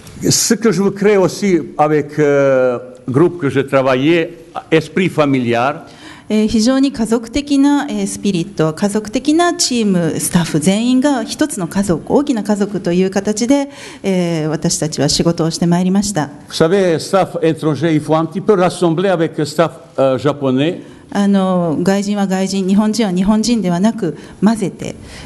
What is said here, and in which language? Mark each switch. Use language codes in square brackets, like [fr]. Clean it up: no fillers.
[fr] Ce que je veux créer aussi avec le groupe que je travaillais, esprit familial. [ja] 非常に家族的なスピリット、家族的なチーム、スタッフ全員が一つの家族、大きな家族という形で、私たちは仕事をしてまいりました。 [fr] Vous savez, staff étranger, il faut un petit peu rassembler avec staff japonais. [ja] 外人は外人、日本人は日本人ではなく混ぜて